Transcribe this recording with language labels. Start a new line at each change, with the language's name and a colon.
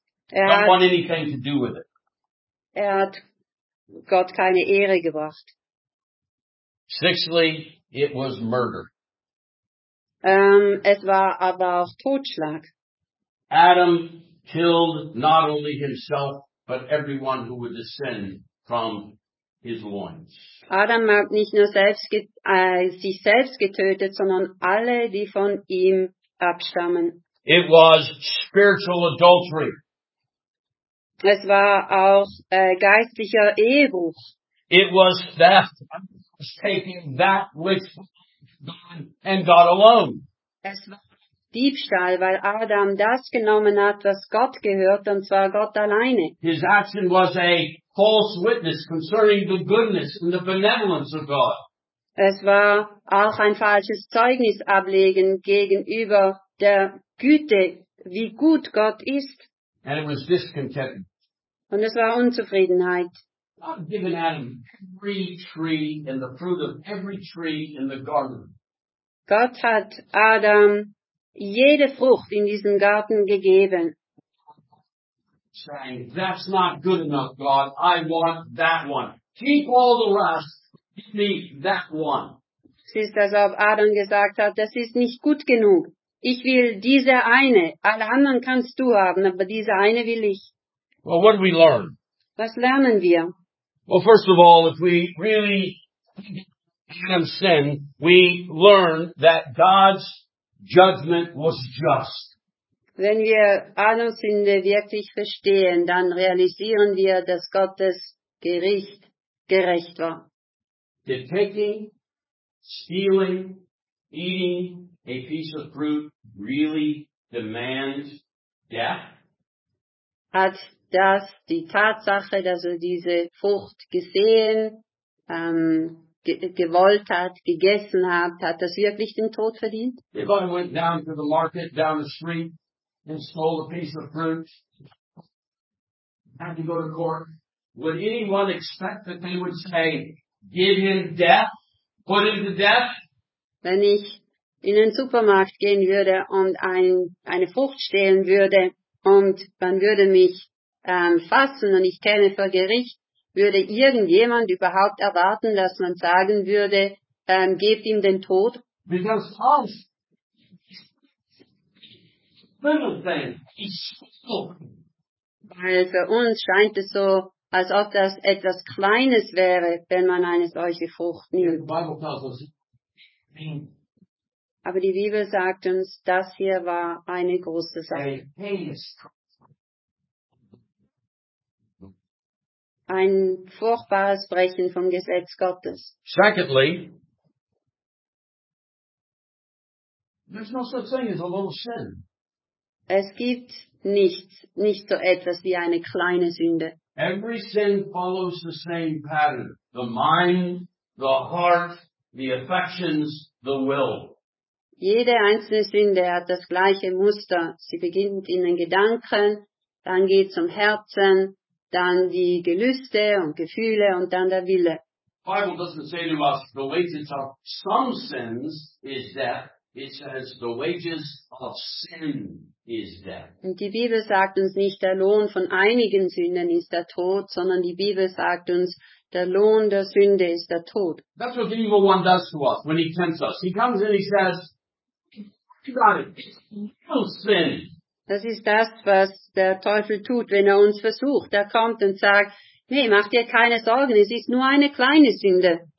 English: Don't want anything to do with it.
German: Er hat Gott keine Ehre gebracht.
English: Sixthly, it was murder.
German: Es war aber auch Totschlag.
English: Adam killed not only himself, but everyone who would descend from his loins.
German: Adam hat nicht nur sich selbst getötet, sondern alle, die von ihm abstammen.
English: It was spiritual adultery.
German: Es war auch geistlicher Ehebruch.
English: It was theft. It was taking that which God and God alone.
German: Es war Diebstahl, weil Adam das genommen hat, was Gott gehört, und zwar Gott alleine.
English: His action was a false witness concerning the goodness and the benevolence of God.
German: Es war auch ein falsches Zeugnis ablegen gegenüber der Güte, wie gut Gott ist.
English: And it was discontentment.
German: Und es war Unzufriedenheit.
English: God had given Adam every tree and the fruit of every tree in the garden.
German: Gott hat Adam jede Frucht in diesem Garten gegeben.
English: Saying, that's not good enough, God. I want that one. Keep all the rest. Give me that one.
German: Es ist, als ob Adam gesagt hat, das ist nicht gut genug. Ich will diese eine. Alle anderen kannst du haben, aber diese eine will ich.
English: Well, what do we learn?
German: Was lernen wir?
English: Well, first of all, if we really think Adam's sin, we learn that God's judgment was just.
German: Wenn wir Adams Sünde wirklich verstehen, dann realisieren wir, dass Gottes Gericht gerecht war.
English: Did taking, stealing, eating a piece of fruit really demand death?
German: Hat das die Tatsache, dass er diese Frucht gesehen, gewollt hat, gegessen hat, hat das wirklich den Tod verdient?
English: If I went down to the market down the street and stole a piece of fruit, had to go to court, would anyone expect that they would say, give him death, put him to death?
German: Wenn ich in den Supermarkt gehen würde und eine Frucht stehlen würde und man würde mich fassen und ich käme vor Gericht, würde irgendjemand überhaupt erwarten, dass man sagen würde, gebt ihm den Tod?
English: Because Paul, little thing, is so.
German: Weil für uns scheint es so, als ob das etwas Kleines wäre, wenn man eine solche Frucht nimmt. Aber die Bibel sagt uns, das hier war eine große Sache. Ein furchtbares Brechen vom Gesetz Gottes.
English: Secondly, there's no such thing as a little sin.
German: Es gibt nicht so etwas wie eine kleine Sünde.
English: Every sin follows the same pattern. The mind, the heart, the affections, the will.
German: Jede einzelne Sünde hat das gleiche Muster. Sie beginnt in den Gedanken, dann geht zum Herzen, dann die Gelüste und Gefühle und dann der Wille.
English: The Bible doesn't say to us, the wages of some sins is death. It says, the wages of sin is death.
German: Und die Bibel sagt uns nicht, der Lohn von einigen Sünden ist der Tod, sondern die Bibel sagt uns, der Lohn der Sünde ist der Tod.
English: That's what the evil one does to us when he tempts us. He comes and he says, you got it, it's no sin.
German: Das ist das, was der Teufel tut, wenn er uns versucht. Er kommt und sagt, nee, mach dir keine Sorgen, es ist nur eine kleine Sünde.